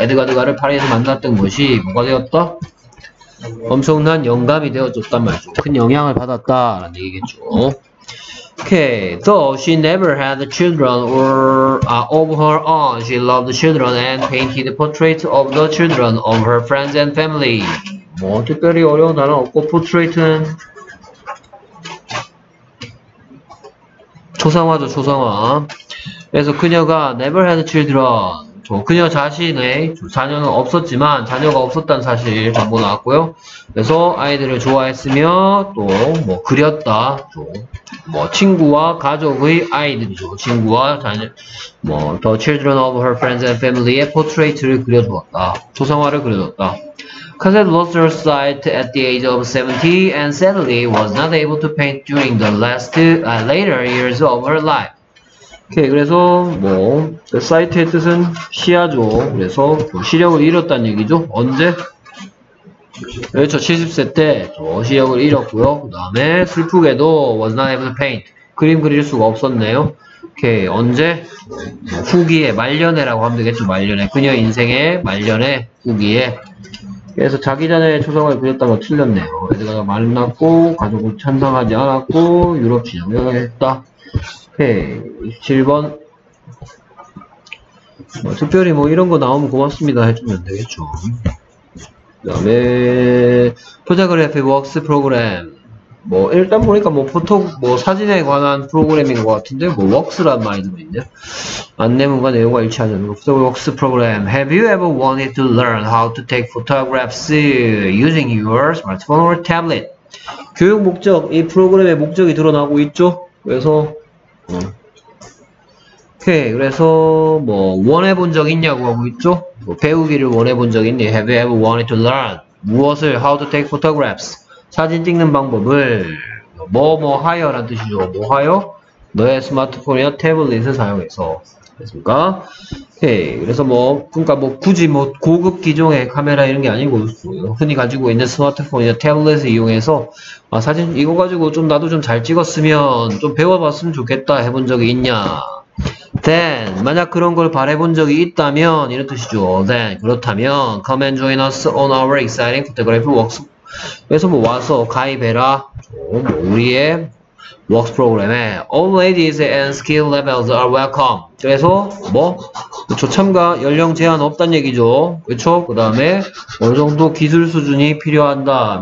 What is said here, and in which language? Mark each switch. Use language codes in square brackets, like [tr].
[ko] 에드가드가를 파리에서 만났던 것이 뭐가 되었다? 엄청난 영감이 되어줬단 말이죠. 큰 영향을 받았다라는 얘기겠죠. [en] Okay, though she never had children of her own, she loved children and painted portraits of the children of her friends and family. [ko] 뭐 특별히 어려운 단어 없고, portrait는 초상화죠, 초상화. 그래서 그녀가 [en] never had children, [ko] 그녀 자신의 자녀는 없었지만, 자녀가 없었다는 사실 정보 나왔고요. 그래서 아이들을 좋아했으며 또 뭐 그렸다, 뭐 친구와 가족의 아이들이죠. 친구와 자녀, 뭐 [en] the children of her friends and family [ko] 의 portrait를 그려주었다, 초상화를 그려줬다. [en] Cassette lost her sight at the age of 70 and sadly was not able to paint during the later years of her life. [ko] Okay, 그래서 뭐 [en] the sight [ko] 의 뜻은 시야죠. 그래서 시력을 잃었다는 얘기죠. 언제? 그렇죠, 70세 때 시력을 잃었고요. 그 다음에 슬프게도 [en] was not able to paint, [ko] 그림 그릴 수가 없었네요. 오케이, 언제? 후기에, 말년에라고 하면 되겠죠. 말년에, 그녀 인생의 말년에, 후기에. 그래서 자기 전에 초상화를 그렸다가 틀렸네요. 애들과 만났고, 가족을 찬성하지 않았고, 유럽 진영을 했다. 오케이, 7번. 특별히 뭐 이런 거 나오면 고맙습니다 해주면 되겠죠. 그 다음에 포토그래피 웍스 프로그램. 뭐 일단 보니까 뭐 포토 뭐 사진에 관한 프로그램인 것 같은데 뭐 웍스란 말이 들어 있네요. 안내문과 내용과 일치하는 포토 웍스 프로그램. [en] Have you ever wanted to learn how to take photographs using your smartphone or tablet? [ko] 교육 목적, 이 프로그램의 목적이 드러나고 있죠. 그래서 오케이. 그래서 뭐 원해 본 적 있냐고 하고 있죠. 뭐 배우기를 원해 본 적 있니? [en] Have you ever wanted to learn [ko] 무엇을 [en] how to take photographs? [ko] 사진 찍는 방법을 뭐뭐 하여란 뜻이죠. 뭐 하여? 너의 스마트폰이나 태블릿을 사용해서 됐습니까? 오케이. 그래서 뭐 그러니까 뭐 굳이 뭐 고급 기종의 카메라 이런 게 아니고 흔히 가지고 있는 스마트폰이나 태블릿을 이용해서 아, 사진 이거 가지고 좀 나도 좀 잘 찍었으면 좀 배워봤으면 좋겠다 해본 적이 있냐? Then 만약 그런 걸 바라본 적이 있다면 이런 뜻이죠. [en] Then [ko] 그렇다면 [en] come and join us on our exciting photography works. [ko] 그래서 뭐 와서 가입해라. 뭐 우리의 works 프로그램에 [en] all ladies and skill levels are welcome. [ko] 그래서 뭐 그쵸, 참가 연령 제한 없단 얘기죠. 그렇죠? 그 다음에 어느 정도 기술 수준이 필요한다.